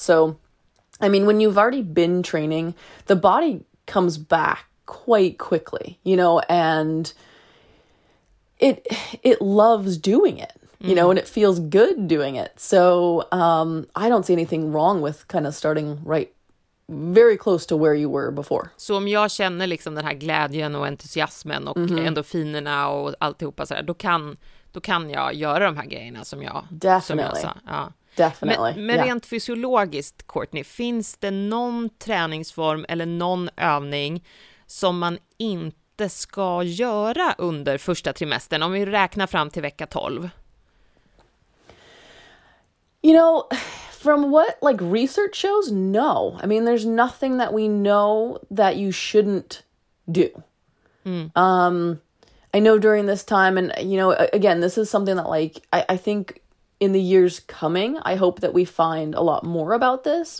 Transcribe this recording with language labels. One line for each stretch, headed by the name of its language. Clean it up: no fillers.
English: So, I mean, when you've already been training, the body comes back quite quickly, you know, and it loves doing it, you know, and it feels good doing it. So I don't see anything wrong with kind of starting right very close to where you were before.
Swedish: Så om jag känner liksom den här glädjen och entusiasmen och endorfinerna och alltihopa så där, då kan jag göra de här grejerna som jag
English: definitely.
Swedish: Ja.
English: Definitely.
Swedish: Men rent fysiologiskt, Courtney, finns det någon träningsform eller någon övning som man inte ska göra under första trimestern om vi räknar fram till vecka 12?
English: You know, from what like research shows, no. I mean, there's nothing that we know that you shouldn't do. I know during this time, and, you know, again, this is something that, like, I think in the years coming, I hope that we find a lot more about this.